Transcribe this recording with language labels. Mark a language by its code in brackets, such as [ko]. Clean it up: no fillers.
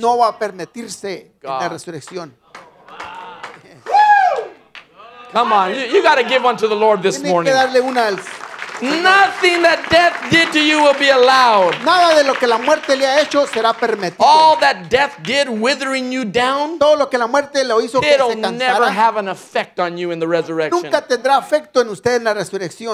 [es] No va a permitirse God. En la resurrección. [en] Come on, you got to give one to the Lord this morning. Nothing that death did to you will be allowed. [es] Nada de lo que la muerte le ha hecho será permitido. [en] All that death did withering you down, [es] todo lo que la muerte lo hizo que se cansara, [en] it'll never have an effect on you in the resurrection. [es] Nunca tendrá efecto en usted en la resurrección.